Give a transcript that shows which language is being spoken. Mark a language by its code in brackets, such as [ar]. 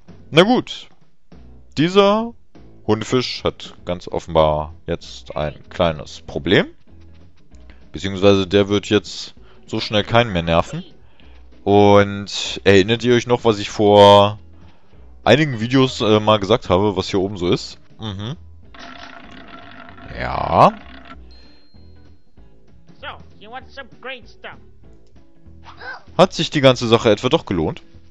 [de] Na gut. Dieser Hundefisch hat ganz offenbar jetzt ein kleines Problem. Beziehungsweise der wird jetzt so schnell keinen mehr nerven. Und erinnert ihr euch noch, was ich vor einigen Videos mal gesagt habe, was hier oben so ist. Mhm. Ja. [en] So, you want some great stuff. [de] Hat sich die ganze Sache etwa doch gelohnt?